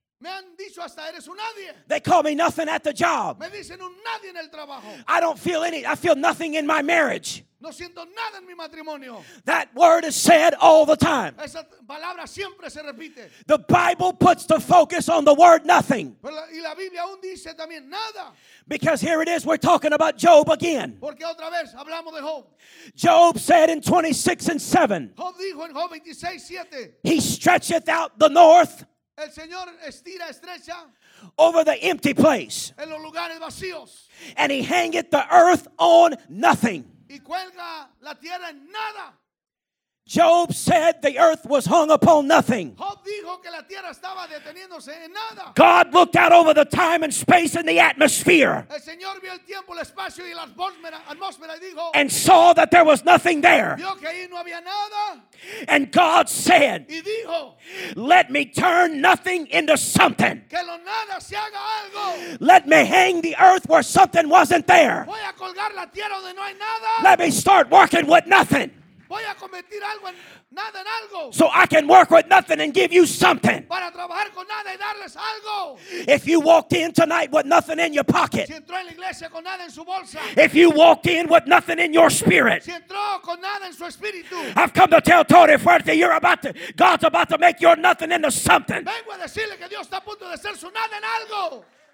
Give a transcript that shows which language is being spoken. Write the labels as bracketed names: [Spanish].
[Spanish] Me han dicho hasta eres un nadie. [English] They call me nothing at the job. [Spanish] Me dicen un nadie en el trabajo. [English] I don't feel any. I feel nothing in my marriage. [Spanish] No siento nada en mi matrimonio. [English] That word is said all the time. [Spanish] Esa palabra siempre se repite. [English] The Bible puts the focus on the word nothing. [Spanish] Pero y la Biblia aún dice también nada. [English] Because here it is, we're talking about Job again. [Spanish] Porque otra vez hablamos de Job. [English] Job said in 26 and 7. [Spanish] Job dijo en Job 26, 7. [English] He stretcheth out the north. [Spanish] El Señor estira, estrecha, [English] over the empty place. [Spanish] En los lugares vacíos. [English] And he hangeth the earth on nothing. [Spanish] Y cuelga la tierra en nada. [English] Job said the earth was hung upon nothing. [Spanish] Job dijo que la tierra estaba deteniéndose en nada. [English] God looked out over the time and space and the atmosphere. [Spanish] El Señor vio el tiempo, el espacio y la atmósfera y dijo, [English] and saw that there was nothing there. [Spanish] Vio que ahí no había nada. [English] And God said, [Spanish] y dijo, [English] let me turn nothing into something. [Spanish] Que lo nada se haga algo. [English] Let me hang the earth where something wasn't there. [Spanish] Voy a colgar la tierra donde no hay nada. [English] Let me start working with nothing. [Spanish] Voy a convertir algo en nada en algo. [English] So I can work with nothing and give you something. [Spanish] Para trabajar con nada y darles algo. [English] If you walked in tonight with nothing in your pocket. [Spanish] Si entró en la iglesia con nada en su bolsa. [English] If you walked in with nothing in your spirit. [Spanish] Si entró con nada en su espíritu. [English] I've come to tell Tony Fuerte, God's about to make your nothing into something. [Spanish] Vengo a decirle que Dios está a punto de hacer su nada en algo.